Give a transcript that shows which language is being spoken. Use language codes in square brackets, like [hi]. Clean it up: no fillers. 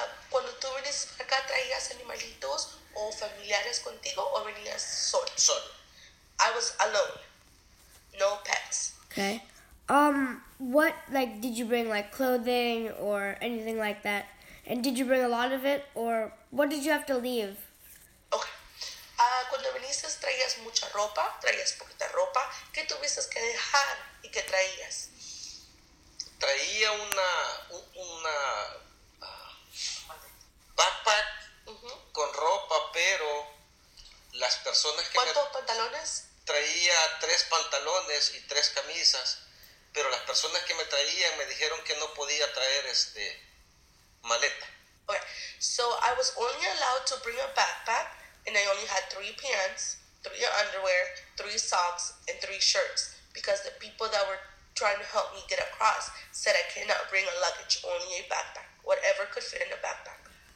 [es] Cuando tú venías para acá, ¿traías animalitos o familiares contigo o venías solo? [en] I was alone. No pets. Okay. What, like, did you bring, like, clothing or anything like that? And did you bring a lot of it, or what did you have to leave? [es] Okay. Cuando viniste, ¿traías mucha ropa? ¿Traías poquita ropa? ¿Qué tuviste que dejar y qué traías? Traía una backpack con ropa, pero las personas que... ¿Cuántos pantalones? Traía 3 pantalones y 3 camisas, pero las personas que me traían me dijeron que no podía traer maleta. [en] Okay, so I was only allowed to bring a backpack, and I only had 3 pants, 3 underwear, 3 socks, and 3 shirts, because the people that were trying to help me get across said I cannot bring a luggage, only a backpack, whatever could fit in a backpack.